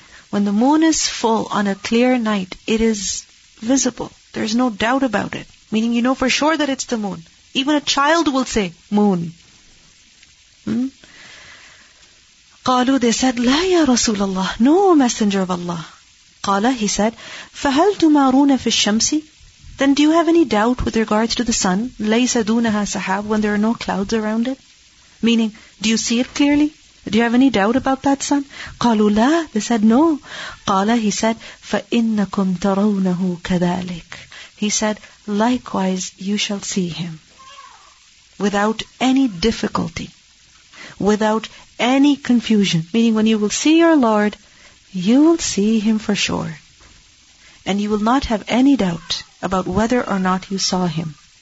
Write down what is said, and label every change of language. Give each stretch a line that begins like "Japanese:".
English: When the moon is full on a clear night, it is visible. There's no doubt about it. Meaning you know for sure that it's the moon. Even a child will say, moon.
Arabic: قالوا
English: they said,
Arabic: لا يا رسول الله,
English: no messenger of Allah.
Arabic: قال
English: he said,
Arabic: فهل تمارون في الشمس?
English: Then do you have any doubt with regards to the sun?
Arabic: ليس دونها سحاب,
English: when there are no clouds around it? Meaning, do you see it clearly? Do you have any doubt about that sun?
Arabic: قالوا لا,
English: they said no.
Arabic: قال
English: he said,
Arabic: فإنكم ترونه كذلك.
English: He said, likewise you shall see him without any difficulty, without any confusion. Meaning when you will see your Lord, you will see him for sure. And you will not have any doubt about whether or not you saw him.